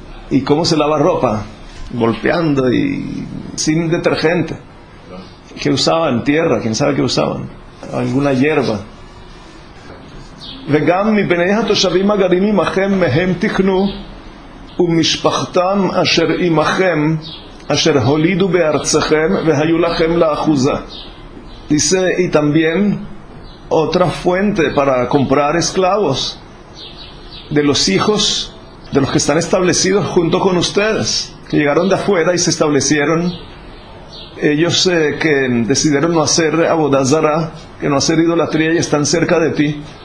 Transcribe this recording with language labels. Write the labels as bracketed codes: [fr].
[es] ¿Y cómo se lava ropa? Golpeando y sin detergente. ¿Qué usaban? Tierra, quién sabe qué usaban. alguna hierba. [he] וגם מבני התושבים הגרים עמכם מהם תקנו, ומשפחתם אשר עמכם, אשר הולידו בארצכם והיו לכם לאחוזה. [es] Dice, y también otra fuente para comprar esclavos de los hijos de los que están establecidos junto con ustedes, que llegaron de afuera y se establecieron. Ellos que decidieron no hacer avodá zará, que no hacer idolatría y están cerca de ti.